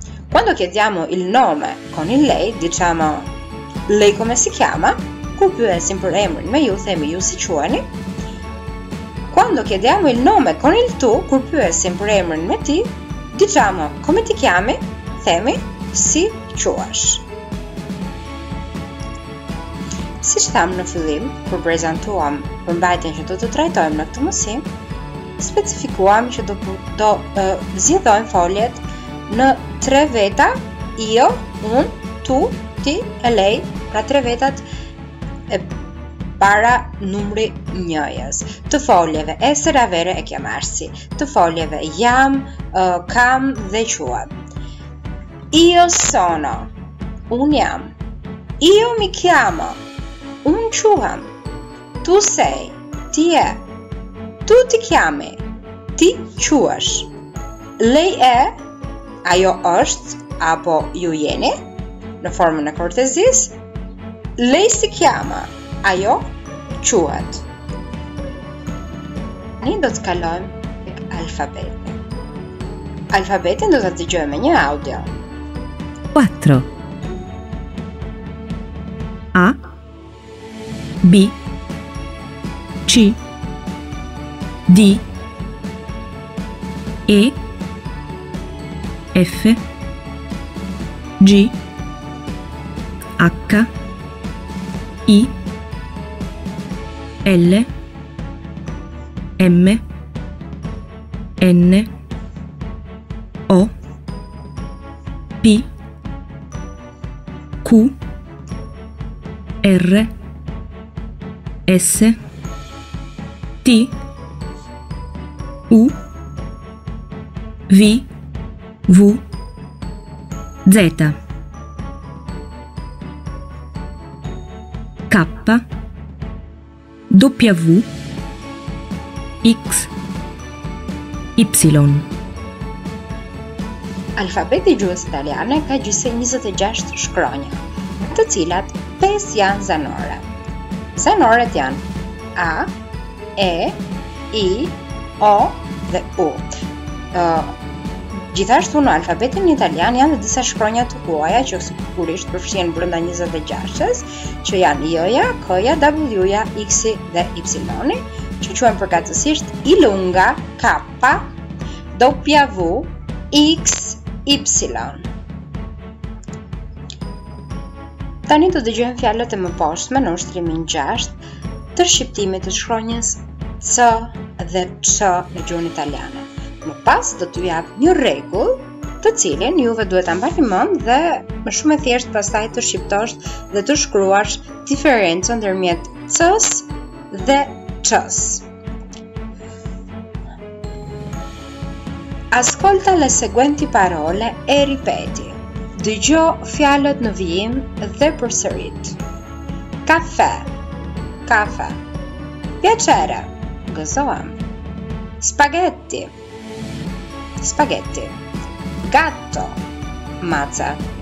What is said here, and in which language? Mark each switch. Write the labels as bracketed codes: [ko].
[it] Quando chiediamo il nome con il lei, diciamo lei come si chiama? [sq] Kur pyesim për emrin me ju, themi ju si quheni. [it] Quando chiediamo il nome con il tu, [sq] kur pyesim për emrin me ti, [it] diciamo come ti chiami? [sq] Themi si quash. Siç thamë në fillim, kur prezantuam përmbajtjen që do të trajtojmë në këtë mësim, specifikuam që do zgjidhojmë foljet në tre veta, io, un, tu, ti e lei, pra tre vetat e para numri njëjës, të foljeve [it] essere, avere e chiamarsi, [sq] të foljeve jam, kam dhe quam. [it] Io sono, [sq] un jam, [it] io mi chiamo, [sq] un quam, [it] tu sei, [sq] ti e, [it] tu ti chiami, [sq] ti quash, [it] lei e, [sq] ajo është, apo ju jeni, në formën e kortezis, [it] lei si chiama, [sq] ajo quat. Ni do të kalojmë e alfabetin. Alfabetin do të dëgjojmë një audio. [it] 4 A B C D E F G H I L M N O P Q R S T U V V Z K W X Y [sq] Alfabeti i gjuhës italiane ka gjithsej 26 shkronja, të cilat 5 janë zanore. Zanoret janë A, E, I, O dhe U. Gjithashtu në alfabetin italian janë dhe disa shkronja të huaja që sigurisht përfshihen brenda 26-s, që janë J-ja, K-ja, W-ja, X-i dhe Y-i, që quhen përgatitësisht I lunga, K, W, X, Y. Tani do të dëgjojmë fjalët e mëposhtme në ushtrimin 6 të shqiptimit të shkronjës C dhe Q në gjuhën italiane. Më pas do t'ju jap një rregull, të cilin juve duhet ta mbani mend dhe më shumë e thjesht pastaj të shqiptosh dhe të shkruash diferencën ndërmjet C-s dhe Q-s. [it] Ascolta le seguenti parole e ripeti. [sq] Dëgjo fjalët në vijim dhe përsërit. [it] Kafe, kafe. Piacere, [sq] gëzoam. [it] Spaghetti, spaghetti. Gatto, [sq] maca.